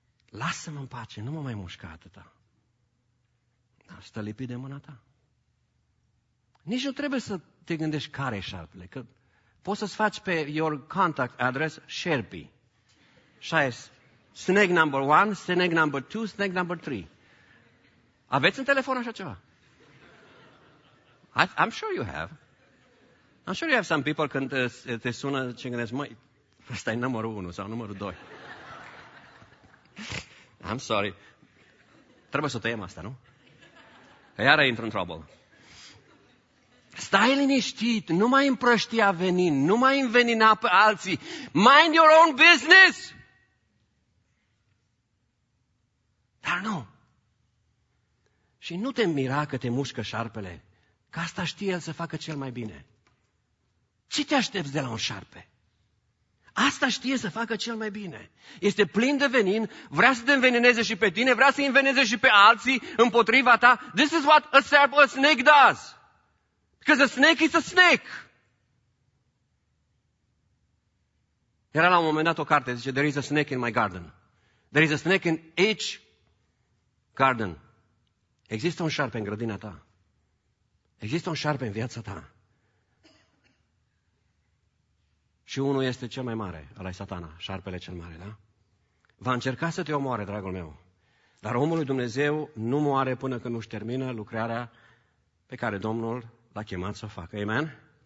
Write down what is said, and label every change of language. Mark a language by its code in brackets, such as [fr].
[ro] Lasă-mă în pace, nu mă mai mușca atâta. Dar stă lipit de mâna ta. Nici nu trebuie să te gândești care e șarpele, că poți să-ți faci pe [en] your contact address [ro] șerpii. Și aia [en] snake number one, snake number two, snake number three. [ro] Aveți în telefon așa ceva? [en] I'm sure you have. I'm sure you have some people [ro] când te sună și gândești, măi, ăsta e numărul unu sau numărul doi. [en] I'm sorry. [ro] Trebuie să o tăiem asta, nu? Că iară intră în trouble. Stai liniștit, nu mai împrăștia venin, nu mai învenina pe alții. [en] Mind your own business! [ro] Dar nu. Și nu te mira că te mușcă șarpele, că asta știe el să facă cel mai bine. Ce te aștepți de la un șarpe? Asta știe să facă cel mai bine. Este plin de venin, vrea să te învenineze și pe tine, vrea să înveneze și pe alții împotriva ta. [en] This is what a snake does. Because a snake is a snake. [ro] Era la un moment dat o carte, zice, [en] there is a snake in my garden. There is a snake in each garden. [ro] Există un șarpe în grădina ta. Există un șarpe în viața ta. Și unul este cel mai mare, ăla-i Satana, șarpele cel mare, da? Va încerca să te omoare, dragul meu. Dar omul lui Dumnezeu nu moare până când nu-și termină lucrarea pe care Domnul l-a chemat să o facă. Amen?